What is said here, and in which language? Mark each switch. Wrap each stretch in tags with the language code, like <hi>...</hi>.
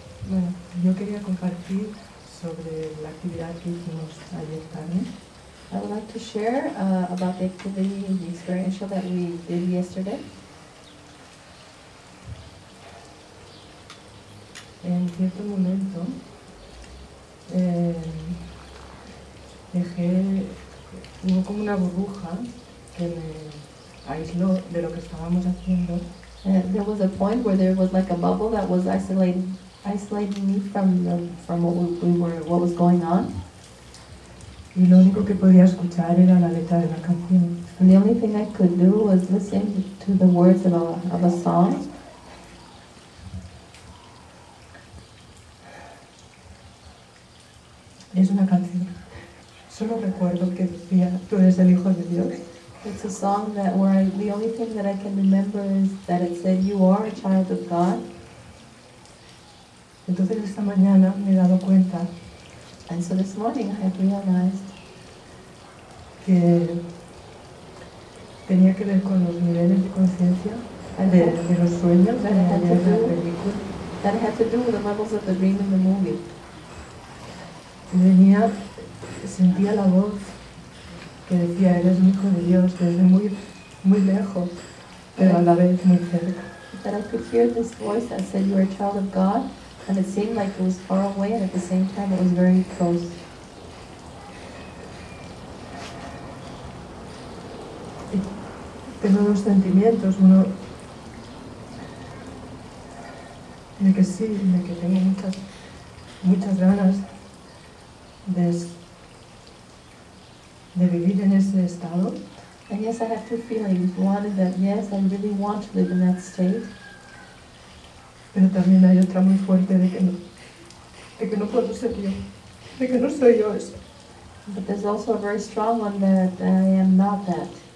<es>Bueno, yo quería compartir sobre la actividad que hicimos ayer también.</es> <en>I would like to share about the activity and the experiential that we did yesterday.</en> <es>En cierto momento, dejé, hubo como una burbuja que me aisló de lo que estábamos haciendo.</es> <en>There was a point where there was like a bubble that was isolating me from what was going on.</en> <es>Y lo único que podía escuchar era la letra de la canción.</es> <en>And the only thing I could do was listen to the words of a song.</en> <es>Es una canción. Solo recuerdo que decía, tú eres el Hijo de Dios.</es> <en>It's a song that the only thing that I can remember is that it said, you are a child of God.</en> <es>Entonces esta mañana me he dado cuenta.</es> <en>And so this morning I have realized</en> <es>que tenía que ver con los niveles de conciencia de los sueños</es> <en>that it had to do with the levels of the dream and the movie.</en> <es>Sentía la voz que decía, eres un hijo de Dios desde muy, muy lejos, pero a la vez muy cerca.</es> <en>That I could hear this voice that said, you are a child of God, and it seemed like it was far away, and at the same time it was very close.</en> <es>Tengo dos sentimientos, uno de que sí, de que tengo muchas, muchas ganas de vivir en ese estado.</es> <en>And yes, I have two feelings. One is that yes, I really want to live in that state.</en> <es>Pero también hay otra muy fuerte de que no puedo ser yo, de que no soy yo eso.</es> <en>But there's also a very strong one that I am not that.</en>